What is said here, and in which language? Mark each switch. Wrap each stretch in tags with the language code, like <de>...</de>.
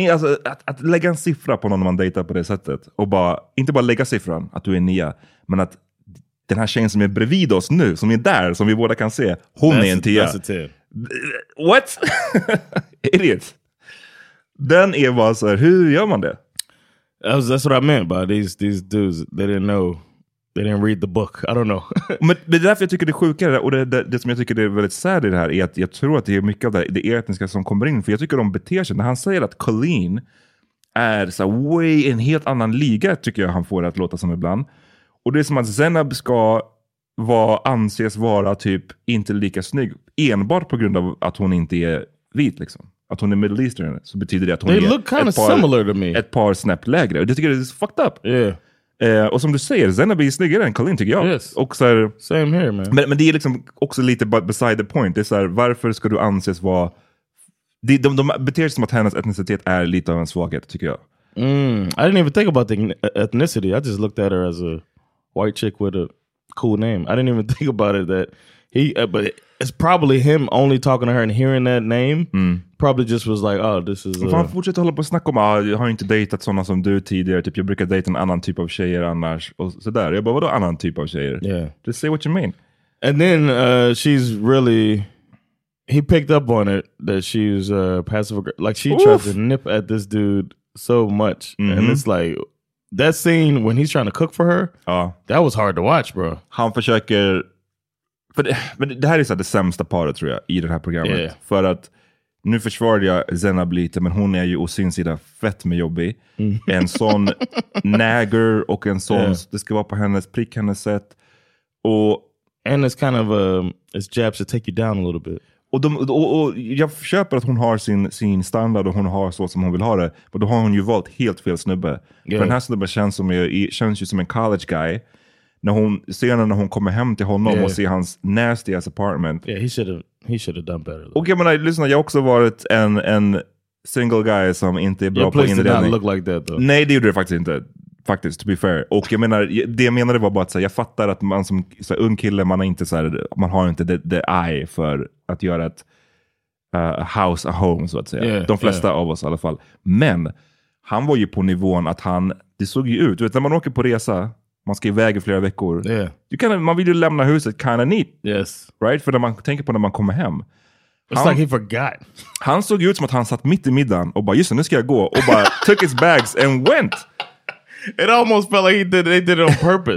<sv>Alltså, att lägga en siffra på någon man dejtar på det sättet. Och bara, inte bara lägga siffran att du är en nia, men att den här tjejen som är bredvid oss nu, som är där, som vi båda kan se, hon</sv> <en>that's</en> <sv>är en tia.</sv> <en>A tia. What? Idiot.</en> <sv>Den är bara så här, hur gör man det?</sv> <en>That's what I meant by these dudes. They didn't know. They didn't read the book. I don't know.</en> <sv>Men det är därför jag tycker det är sjukare. Och det som jag tycker är väldigt sad i det här är att jag tror att det är mycket av det etniska som kommer in. För jag tycker de beter sig. När han säger att Colleen är så way en helt annan liga, tycker jag han får det att låta som ibland. Och det är som att Zeynep ska anses vara typ inte lika snygg enbart på grund av att hon inte är vit liksom. Att hon är Middle Eastern, så betyder det att hon</sv> <en>they</en> <sv>är</sv> <en>look kind of similar to me.</en> <sv>Ett par snäpp lägre. Och det tycker jag är fucked up.</sv> <en>Yeah.</en> <sv>Och som du säger, Zeynep är snyggare än Colleen tycker jag.</sv> <en>Yes.</en> <sv>Och så här,</sv> <en>same here, man.</en> <sv>Men det är liksom också lite</sv> <en>beside the point.</en> <sv>Det är så här, varför ska du anses vara De beter sig som att hennes etnicitet är lite av en svaghet, tycker jag. Mm.</sv> <en>I didn't even think about the ethnicity. I just looked at her as a white chick with a cool name. I didn't even think about it that he, but it's probably him only talking to her and hearing that name. Mm. Probably just was like, oh, this is...</en> <sv>Fan, fortsätt hålla på och snacka om, jag har inte dejtat sådana som du tidigare. Typ, jag brukar dejta en annan typ av tjejer annars. Och sådär. Jag bara, vadå annan typ av tjejer?</sv> <en>Yeah. Just say what you mean. And then she's really... He picked up on it that she's passive aggressive. Like, she tried to nip at this dude so much. Mm-hmm. And it's like, that scene when he's trying to cook for her, that was hard to watch, bro.</en> <sv>Han försöker... Men det här är så här det sämsta paret, tror jag, i det här programmet.</sv> <en>Yeah.</en> <sv>För att nu försvarade jag Zainab lite, men hon är ju å sin sida fett med jobbig. Mm. En sån nagger och en sån, yeah. Det ska vara på hennes prick, hennes sätt. Och,</sv> <en>and it's kind of it's jabs to take you down a little bit.</en> <sv>Och, jag köper att hon har sin standard och hon har så som hon vill ha det. Men då har hon ju valt helt fel snubbe.</sv> <en>Yeah.</en> <sv>För den här snubben känns ju som en college guy. När hon senare när hon kommer hem till honom, yeah, och ser hans</sv> <en>nasty ass apartment. Yeah, he should have done better.</en> <sv>Okej, okay, men lyssna, jag har också varit en</sv> <en>single guy</en> <sv>som inte är bra på inredning.</sv> <en>Your place did not look like that though.</en> <sv>Nej, det gjorde det faktiskt inte. Faktiskt,</sv> <en>to be fair.</en> <sv>Och jag menar, det jag menade var bara att så här, jag fattar att man som så här, ung kille, man är inte så här, man har inte</sv> <en>the eye</en> <sv>för att göra ett</sv> <en>house a home,</en> <sv>så att säga.</sv> <en>Yeah,</en> <sv>de flesta, yeah, av oss i alla fall. Men han var ju på nivån att han, det såg ju ut, du vet, när man åker på resa, man ska iväg i flera veckor.</sv> <en>Yeah.</en> <sv>Man vill ju lämna huset</sv> <en>kind of neat. Yes. Right?</en> <sv>För när man tänker på när man kommer hem.</sv> <en>It's like he forgot.</en> <sv>Han såg ut som att han satt mitt i middagen och bara, just nu ska jag gå. Och bara,</sv> <en>took his bags and went. It almost felt like they did it on purpose.</en>